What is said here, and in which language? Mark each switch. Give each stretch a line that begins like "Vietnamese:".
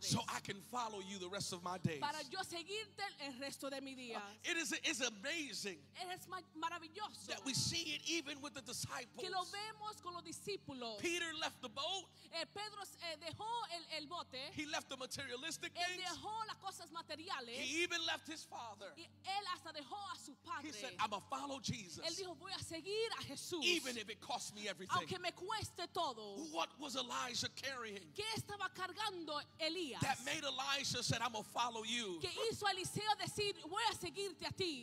English: so I can follow you the rest of my days.
Spanish: Para yo seguirte el resto de mi día.
English: It is amazing.
Spanish: Es maravilloso.
English: That we see it even with the disciples.
Spanish: Que lo vemos con los discípulos.
English: Peter left the boat.
Spanish: Pedro dejó el bote.
English: He left the materialistic things.
Spanish: Él dejó las cosas materiales.
English: He even left his father.
Spanish: Y él hasta dejó a su padre.
English: He said, "I'm gonna follow Jesus."
Spanish: Él dijo, voy a seguir a Jesús.
English: Even if it cost me everything.
Spanish: Aunque me cueste todo.
English: What was Elijah carrying?
Spanish: ¿Qué estaba cargando Elías?
English: That made Elijah said, "I'm gonna follow you."
Spanish: Que hizo Eliseo decir, voy a seguirte a ti.